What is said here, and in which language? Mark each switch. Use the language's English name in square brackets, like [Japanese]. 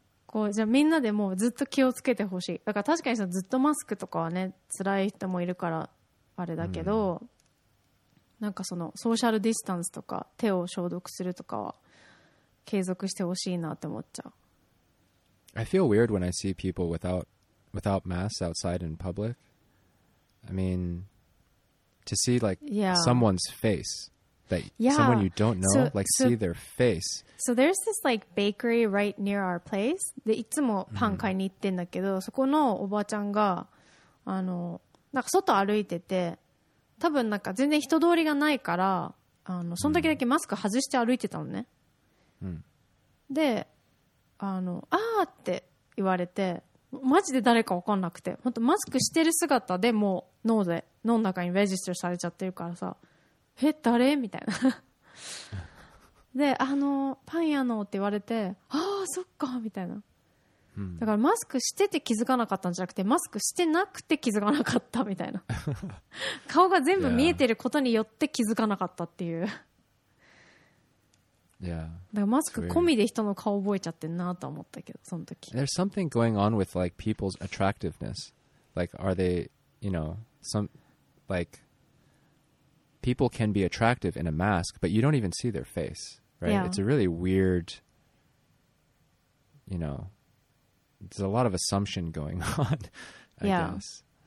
[Japanese] こうじゃあみんなでもうずっと気をつけてほしい。だから確かにさずっとマスクとかはね辛い人もいるからあれだけど、うん、なんかそのソーシャルディスタンスとか手を消毒するとかは継続してほしいなって思っちゃう。 [English] I feel weird when I see people without masks outside in public. I mean, to see like someone's face, that someone you don't know, see their face. So there's this like bakery right near our place. [Japanese] で、いつもパン買いに行ってんだけど、そこのおばちゃんが、あの、なんか外歩いてて、多分なんか全然人通りがないから、あの、その時だけマスク外して歩いてたのね。で、あの、あーって言われて、マジで誰か分かんなくて、本当マスクしてる姿でもう脳で、脳の中にレジストされちゃってるからさ、え、誰みたいな。で、あの、パン屋のって言われて、ああ、そっか、みたいな。だからマスクしてて気づかなかったんじゃなくて、マスクしてなくて気づかなかったみたいな。顔が全部見えてることによって気づかなかったっていう。 [English] Yeah. [Japanese] だからマスク込みで人の顔覚えちゃってんなと思ったけど、その時。 [English] There's something going on with like people's attractiveness. Like, are they, you know, some, like, people can be attractive in a mask, but you don't even see their face, right? Yeah. It's a really weird, you know, there's a lot of assumption going on, I guess.